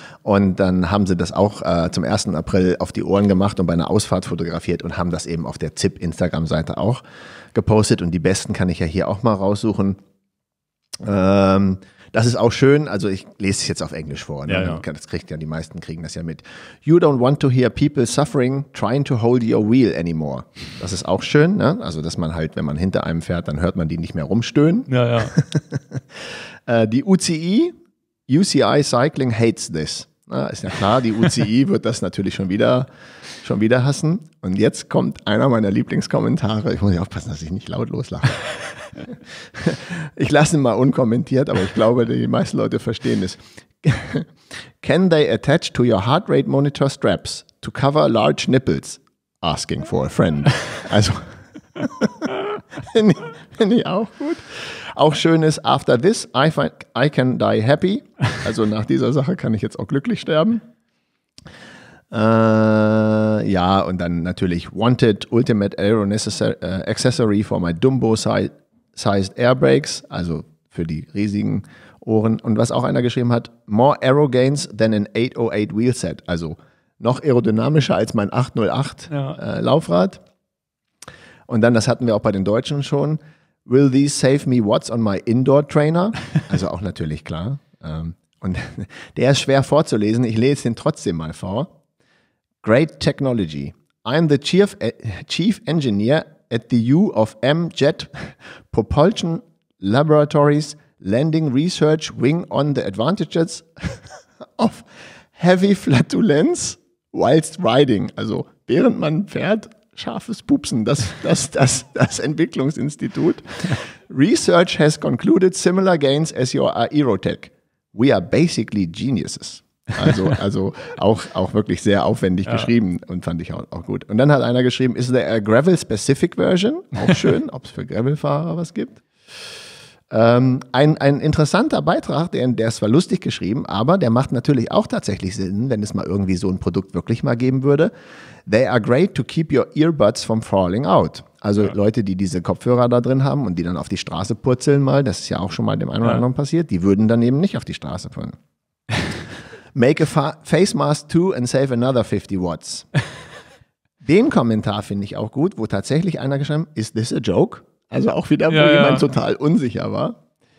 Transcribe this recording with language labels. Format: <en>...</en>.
<de>Und dann haben sie das auch zum 1. April auf die Ohren gemacht und bei einer Ausfahrt fotografiert und haben das eben auf der Zip-Instagram-Seite auch gepostet. Und die besten kann ich ja hier auch mal raussuchen. Das ist auch schön. Also ich lese es jetzt auf Englisch vor. Ne? Ja. Das kriegt ja die meisten kriegen das ja mit.</de> <en>You don't want to hear people suffering trying to hold your wheel anymore.</en> <de>Das ist auch schön. Ne? Also dass man halt, wenn man hinter einem fährt, dann hört man die nicht mehr rumstöhnen. Ja, ja. die UCI Cycling hates this. Na, ist ja klar. Die UCI wird das natürlich schon wieder hassen. Und jetzt kommt einer meiner Lieblingskommentare. Ich muss ja aufpassen, dass ich nicht laut loslache. Ich lasse ihn mal unkommentiert, aber ich glaube, die meisten Leute verstehen es.</de> <en>Can they attach to your heart rate monitor straps to cover large nipples? Asking for a friend.</en> <de>Also, finde ich auch gut. Auch schön ist,</de> <en>after this, I can die happy.</en> <de>Also nach dieser Sache kann ich jetzt auch glücklich sterben. Ja, und dann natürlich</de> <en>wanted ultimate aero accessory for my Dumbo sized airbrakes,</en> <de>also für die riesigen Ohren. Und was auch einer geschrieben hat,</de> <en>more aero gains than an 808 wheelset,</en> <de>also noch aerodynamischer als mein 808 ja. Laufrad. Und dann, das hatten wir auch bei den Deutschen schon,</de> <en>will these save me watts on my indoor trainer?</en> <de>Also auch natürlich klar. Und der ist schwer vorzulesen, ich lese den trotzdem mal vor.</de> <en>Great technology. I'm the chief engineer at the U of M Jet Propulsion Laboratories Landing Research Wing on the advantages of heavy flatulence whilst riding.</en> <de>Also während man fährt, scharfes Pupsen. Das Entwicklungsinstitut.</de> <en>Research has concluded similar gains as your aerotech. We are basically geniuses.</en> <de>Also auch wirklich sehr aufwendig geschrieben und fand ich auch gut. Und dann hat einer geschrieben,</de> <en>is there a Gravel-specific version?</en> <de>Auch schön, ob es für Gravel-Fahrer was gibt. Ein interessanter Beitrag, der ist zwar lustig geschrieben, aber der macht natürlich auch tatsächlich Sinn, wenn es mal irgendwie so ein Produkt wirklich mal geben würde.</de> <en>They are great to keep your earbuds from falling out.</en> <de>Also ja. Leute, die diese Kopfhörer da drin haben und die dann auf die Straße purzeln mal, das ist ja auch schon mal dem einen oder anderen passiert, die würden dann eben nicht auf die Straße purzeln.</de> <en>Make a face mask too and save another 50 watts.</en> <de>Den Kommentar finde ich auch gut, wo tatsächlich einer geschrieben hat,</de> <en>is this a joke?</en> <de>Also auch wieder, wo jemand total unsicher war.</de>